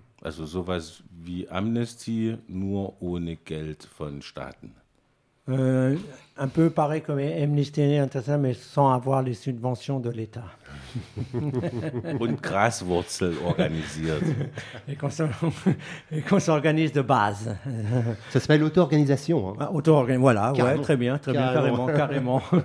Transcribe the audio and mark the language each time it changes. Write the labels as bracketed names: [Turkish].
[German] Also sowas wie Amnesty, nur ohne Geld von Staaten. [French] Un peu pareil comme Amnesty International, mais sans avoir les subventions de l'État. [German] Und Graswurzel organisiert. [French] Et qu'on s'organise de base. Ça s'appelle auto-organisation. Hein. Ah, auto-organisation, voilà, ouais, très bien, carrément.